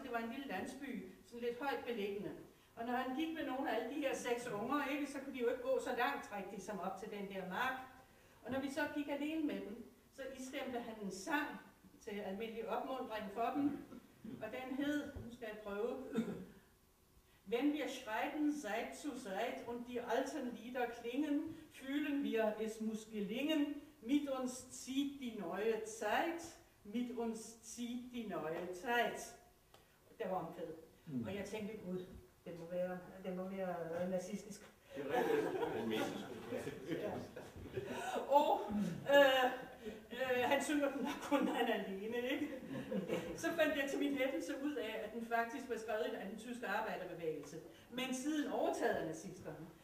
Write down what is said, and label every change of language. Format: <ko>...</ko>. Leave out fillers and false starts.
<da>Det var en lille landsby, sådan lidt højt beliggende. Og når han gik med nogle af alle de her 6 unger, ikke, så kunne de jo ikke gå så langt rigtigt som op til den der mark. Og når vi så gik alene med dem, så istemte han en sang til almindelig opmuntring for dem. Og den hed, nu skal jeg prøve,</da> <de>Wenn wir schreiten Seit zu Seit und die alten Lieder klingen, fühlen wir, es muss gelingen. Mit uns zieht die neue Zeit, mit uns zieht die neue Zeit.</de> <da>Der var en fed. Mm. Og jeg tænkte, gud, den må være, den må være nazistisk. Det er rigtigt. Ja. Og han synger den nok kun, når han er alene, ikke? Så fandt jeg til min lettelse ud af, at den faktisk var skrevet af den tyske arbejderbevægelse, men siden overtaget af nazisterne.</da>